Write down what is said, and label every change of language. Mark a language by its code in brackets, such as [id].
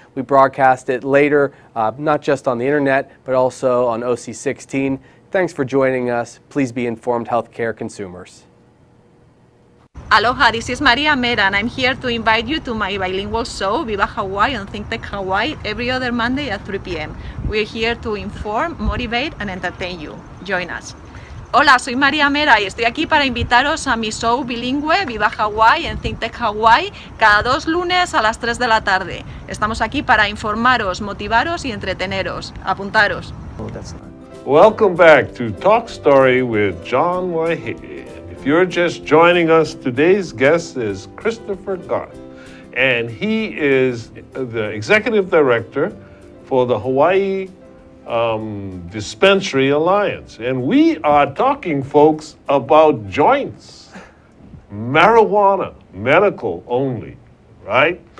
[en] We broadcast it later, not just on the internet, but also on OC16. Thanks for joining us. Please be informed healthcare consumers. Aloha, this is Maria Mera, and I'm here to invite you to my bilingual show, Viva Hawaii on Think Tech Hawaii, every other Monday at 3 p.m. We're here to inform, motivate, and entertain you. Join us. [es] Hola, soy María Mera y estoy aquí para invitaros a mi show bilingüe Viva Hawaii en ThinkTech Hawaii cada dos lunes a las 3 de la tarde. Estamos aquí para informaros, motivaros y entreteneros. Apuntaros. [en] Welcome back to Talk Story with John Waihee. If you're just joining us, today's guest is Christopher Garth, and he is the executive director for the Hawaii Dispensary Alliance, and we are talking, folks, about joints, marijuana, medical only, right?